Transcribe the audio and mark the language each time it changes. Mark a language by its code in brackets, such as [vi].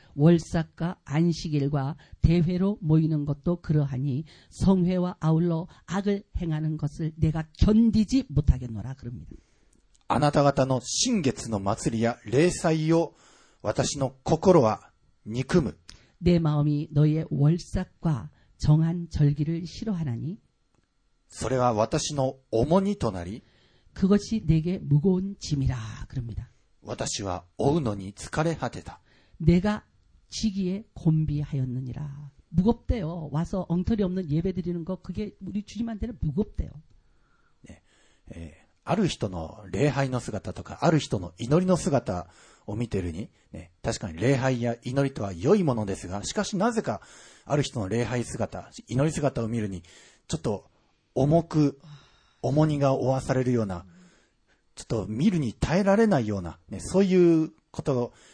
[ko] 월삭과안식일과대회로모이는것도그러하니성회와아울러악을행하는것을내가견디지못하겠노라그럽니다 [ja] あなた方の新月の祭りや礼祭を私の心は憎む。 [ko] 내마음이너희의월삭과정한절기를싫어하나니 [ja] それは私の重荷となり [ko] 그것이내게무거운짐이라그럽니다 [ja] 私は負うのに疲れ果てた [ko] 내가지기에곤비하였느니라무겁대요와서엉터리없는예배드리는거그게우리주님한테는무겁대요 [ja] 네ある人の礼拝の姿とか、ある人の祈りの姿を見ているに、ね、確かに礼拝や祈りとは良いものですが、しかしなぜか、ある人の礼拝姿、祈り姿を見るに、ちょっと重く、重荷が負わされるような、ちょっと見るに耐えられないような、ね、そういうことを、